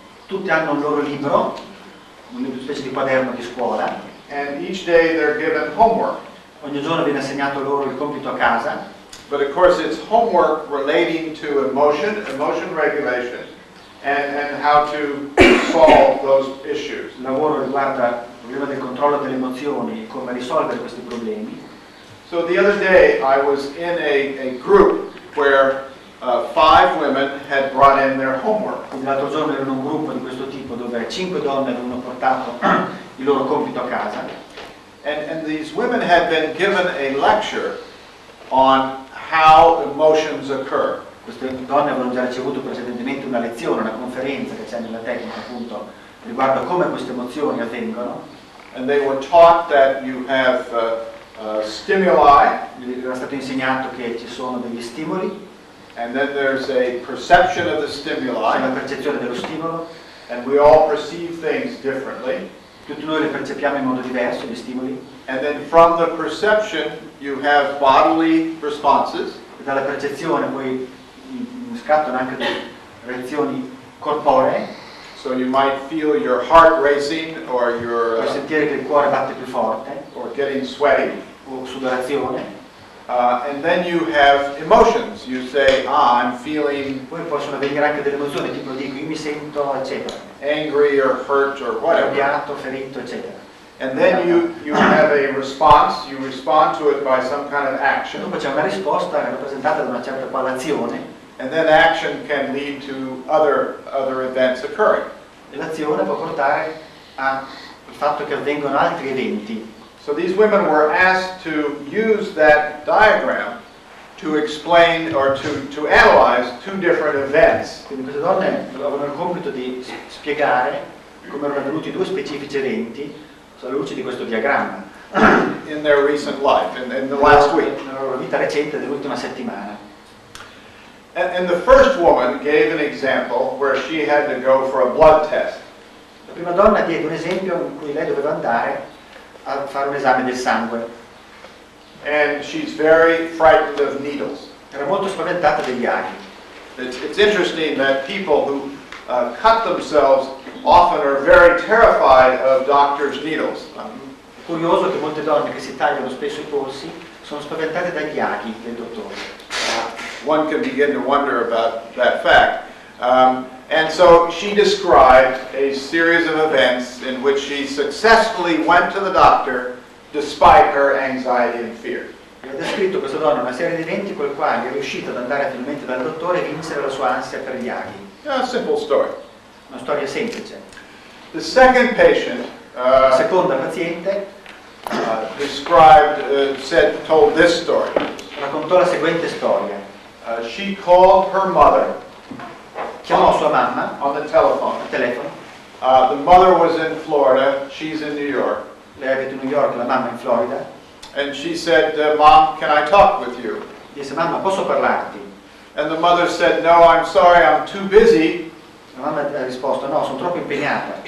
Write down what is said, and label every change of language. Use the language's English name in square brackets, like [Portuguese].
[Italian] Tutti hanno un loro libro, una specie di quaderno di scuola. [English] And each day they're given homework. [Italian] Ogni giorno viene assegnato loro il compito a casa. [English] But of course it's homework relating to emotion regulation, and how to solve those issues. [Italian] Il lavoro riguarda il problema del controllo delle emozioni e come risolvere questi problemi. [English] So the other day I was in a group where five women had brought in their homework. [Italian] L'altro giorno ero in un gruppo di questo tipo dove cinque donne avevano portato il loro compito a casa. [English] And these women had been given a lecture on how emotions occur. [Italian] queste donne avevano già ricevuto precedentemente una lezione, una conferenza che c'è nella tecnica appunto riguardo a come queste emozioni avvengono. [English] And they were taught that you have stimuli. [Italian] Era stato insegnato che ci sono degli stimoli. [English] And then there's a perception of the stimuli. [Italian] La percezione dello stimolo. [English] And we all perceive things differently. [Italian] Tutti noi li percepiamo in modo diverso gli stimoli. [English] And then from the perception you have bodily responses. [Italian] E dalla percezione poi scattano anche delle reazioni corporee. [English] So you might feel your heart racing or your [Italian] puoi sentire che il cuore batte più forte. [English] Or getting sweaty. [Italian] O sudorazione. [English] And then you have emotions. You say, ah, I'm feeling. [Italian] Poi possono venire anche delle emozioni tipo dico io mi sento eccetera. [English] Angry or hurt or whatever. [Italian] Arrabbiato, ferito, eccetera. [English] And then you have a response. You respond to it by some kind of action. [Italian] Dopo c'è una risposta rappresentata da una certa quale azione. [English] And then action can lead to other events occurring. [Italian] E l'azione può portare a il fatto che avvengono altri eventi. [English] So these women were asked to use that diagram to explain or to analyze two different events. [Italian] Quindi queste donne avevano il compito di spiegare come erano avvenuti due specifici eventi alla luce di questo diagramma. [English] In their recent life, in the last week. [Italian] Nella loro vita recente dell'ultima settimana. [English] And the first woman gave an example where she had to go for a blood test. [Italian] La prima donna diede un esempio in cui lei doveva andare a fare un esame del sangue. [English] And she's very frightened of needles. [Italian] Era molto spaventata degli aghi. [English] It's interesting that people who cut themselves often are very terrified of doctor's needles. [Italian] È curioso che molte donne che si tagliano spesso i polsi sono spaventate dagli aghi del dottore. [English] One can begin to wonder about that fact. And so she described a series of events in which she successfully went to the doctor despite her anxiety and fear. [Italian] Ha descritto questa donna una serie di eventi col quale è riuscita ad andare finalmente dal dottore e vincere la sua ansia per gli aghi. [English] A simple story. [Italian] Una storia semplice. [English] The second patient, [Italian] la seconda paziente, [English] described, said, told this story. [Italian] Raccontò la seguente storia. [English] She called her mother. [Italian] Chiamò sua mamma. [English] On the telephone. [Italian] Al telefono. [English] The mother was in Florida. She's in New York. [Italian] Lei abita in New York, la mamma in Florida. [English] And she said, Mom, can I talk with you? [Italian] Disse, mamma, posso parlarti? [English] And the mother said, no, I'm sorry, I'm too busy. [Italian] La mamma ha risposto, no, sono troppo impegnata.